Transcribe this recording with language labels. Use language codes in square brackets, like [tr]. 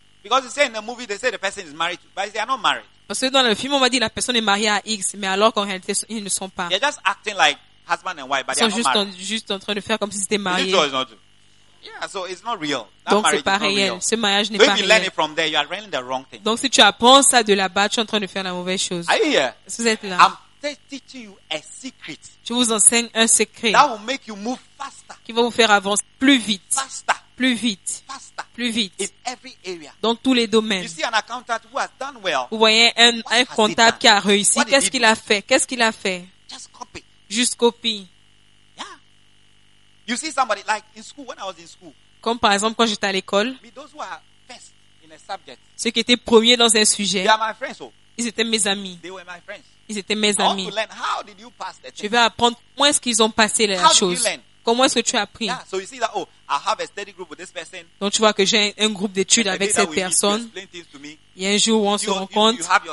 [en] Because they say in the movie, they say the person is married, but they are not married. [fr] Parce que dans le film, on m'a dit la personne est mariée à X, mais alors qu'en réalité, ils ne sont pas. [en] They're just acting like husband and wife, but [fr] ils sont juste en train de faire comme si c'était marié. [en] Yeah, so it's not real. That [fr] donc c'est pas réel. Ce mariage n'est [en] so [fr] pas [en] if you [fr] réel. [en] Learn it from there, you are learning the wrong thing. [fr] Donc si tu apprends ça de là-bas, tu es en train de faire la mauvaise chose. [en] Are you here? [fr] Vous êtes là. [en] I'm teaching you a secret. [fr] Je vous enseigne un secret. [en] That will make you move faster. [fr] Qui va vous faire avancer plus vite. [en] Faster. [fr] Plus vite. [en] Faster. [fr] Plus vite. [en] In every area. [fr] Dans tous les domaines. [en] You see an accountant who has done well. [fr] Vous voyez un comptable qui a réussi. Qu'est-ce qu'il a fait? [en] Just copy. [fr] Juste copie. [en] Yeah. You see somebody like in school when I was in school. [fr] Comme par exemple quand j'étais à l'école. [en] Me, those who are first in a subject. [fr] Ceux qui étaient premiers dans un sujet. [en] They are my friends, oh. [fr] Ils étaient mes amis. [en] They were my friends. [fr] Ils étaient mes [en] I [fr] amis. [en] Want to learn. How did you pass the [fr] test? Je vais apprendre comment est-ce qu'ils ont passé la [en] How [fr] chose. [en] Did you learn? [fr] Comment est-ce que tu as appris? [en] Yeah, so you see that, oh, I have a steady group with this person. [fr] Donc tu vois que j'ai un groupe d'études avec cette personne. Il y a un jour où on se rencontre.